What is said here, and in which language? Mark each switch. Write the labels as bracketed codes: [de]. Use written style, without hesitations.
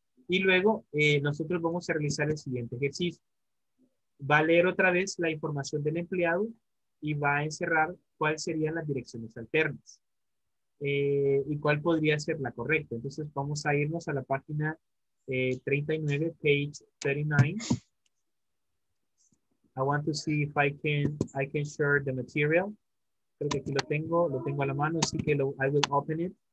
[es] Y luego nosotros vamos a realizar el siguiente ejercicio. Va a leer otra vez la información del empleado y va a encerrar cuáles serían las direcciones alternas. Y cuál podría ser la correcta. Entonces vamos a irnos a la página 39, [en] page 39. I want to see if I can share the material. [es] Creo que aquí lo tengo a la mano, así que [en] I will open it.